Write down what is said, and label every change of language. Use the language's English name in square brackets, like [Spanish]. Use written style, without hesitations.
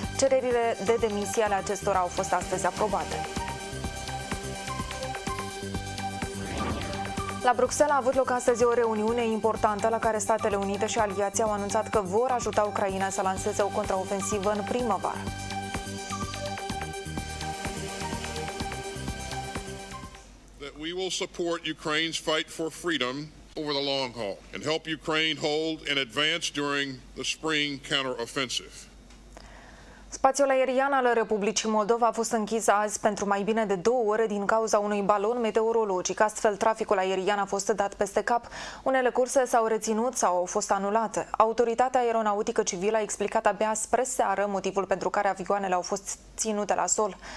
[Romanian] Cererile de demisie ale acestora au fost astăzi aprobate. La Bruxelles a avut loc astăzi o reuniune importantă la care Statele Unite și aliații au anunțat că vor ajuta Ucraina să lanseze o contraofensivă în primăvară. [English] That we will support Ukraine's fight for freedom over the long haul and help Ukraine hold and advance during the spring counteroffensive. [Romanian] Spațiul aerian al Republicii Moldova a fost închis azi pentru mai bine de 2 ore din cauza unui balon meteorologic. Astfel, traficul aerian a fost dat peste cap. Unele curse s-au reținut sau au fost anulate. Autoritatea Aeronautică Civilă a explicat abia spre seară motivul pentru care avioanele au fost ținute la sol.